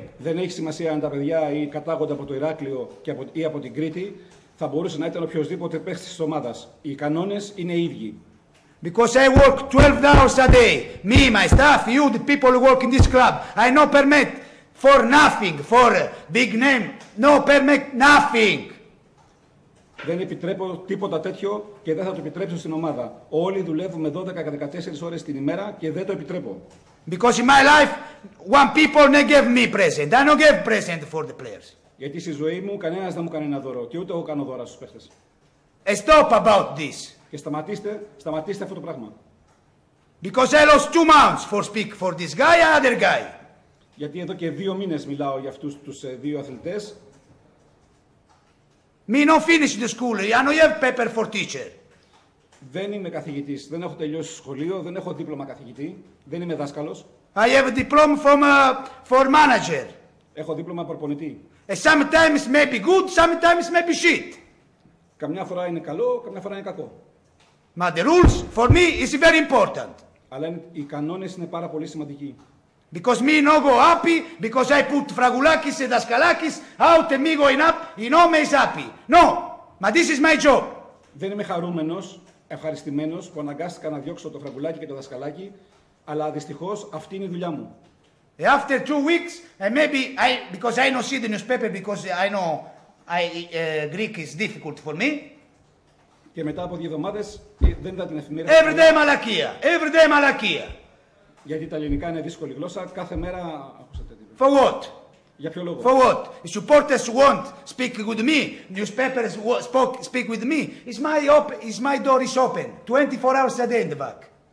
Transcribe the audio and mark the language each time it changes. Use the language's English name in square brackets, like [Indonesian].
[Greek] Δεν έχει σημασία αν τα παιδιά ή κατάγονται από το Ηράκλειο ή από την Κρήτη, θα μπορούσε να ήταν οποιοδήποτε παίχτης της ομάδας. Οι κανόνες είναι οι ίδιοι. [English] Because I work 12 hours a day. Me, my staff, you, the people who work in this club. I no permit for nothing, for a big name. No permit nothing. [Greek] Δεν επιτρέπω τίποτα τέτοιο και δεν θα το επιτρέψω στην ομάδα. Όλοι δουλεύουμε 12-14 ώρες την ημέρα και δεν το επιτρέπω. [English] Because in my life, one people never gave me present. I don't give present for the players. [Greek] Γιατί στη ζωή μου κανένας δεν μου κάνει ένα δώρο και ούτε εγώ κάνω δώρα στους παίχτες. [English] Stop about this. [Greek] Και σταματήστε αυτό το πράγμα. [English] Because I lost 2 months for speak for this guy and other guy. [Greek] Γιατί εδώ και 2 μήνες μιλάω για αυτούς τους 2 αθλητές. [English] Me no finish the school. I no have paper for teacher. [Greek] Δεν είμαι καθηγητής. Δεν έχω τελειώσει σχολείο. Δεν έχω δίπλωμα καθηγητή. Δεν είμαι δάσκαλος. [English] I have a diploma for manager. [Greek] Έχω δίπλωμα προπονητή. [English] And sometimes maybe good, sometimes maybe shit. [Greek] Καμιά φορά είναι καλό, καμιά φορά είναι κακό. [English] But the rules for me is very important. [Greek] Αλλά οι κανόνες είναι πάρα πολύ σημαντικοί. [English] Because me no go happy, because I put Fragulakis and Daskalakis out and me going up, you know me is happy. No, but this is my job. [Greek] Δεν είμαι χαρούμενος, ευχαριστημένος που αναγκάστηκα να διώξω το Φραγκουλάκη και το Δασκαλάκη, αλλά δυστυχώς αυτή είναι η δουλειά μου. [English] After 2 weeks, and maybe because I don't see the newspaper, because I know Greek is difficult for me. [Greek] Και μετά από 2 εβδομάδες, δεν είδα την εφημερίδα. [English] Every day [Greek] μαλακία. Γιατί τα ελληνικά είναι δύσκολη γλώσσα, κάθε μέρα ακούσατε. [English] For what? [Greek] Για ποιο λόγο? [English] For what? The supporters won't speak with me. Newspapers speak with me. It's my door is open. 24 hours a day in the back.